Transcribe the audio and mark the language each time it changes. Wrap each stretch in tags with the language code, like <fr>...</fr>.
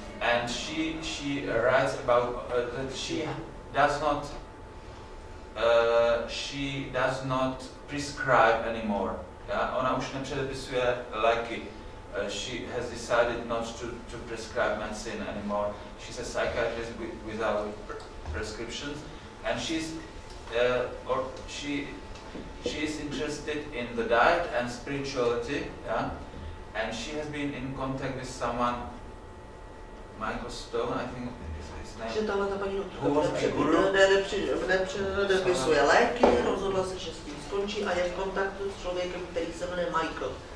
<en>And she writes about that she does not prescribe anymore.</en> <cs>Ona už nepředepisuje léky.</cs> <en>She has decided not to prescribe medicine anymore. She's a psychiatrist without prescriptions, and she's interested in the diet and spirituality, yeah? And she has been in contact with someone, Michael Stone, I think is his name.</en> <cs>Že tahle ta paní doktorka nepředepisuje léky, rozhodla se, že s tím skončí a je v kontaktu s člověkem, který se jmenuje Michael.</cs>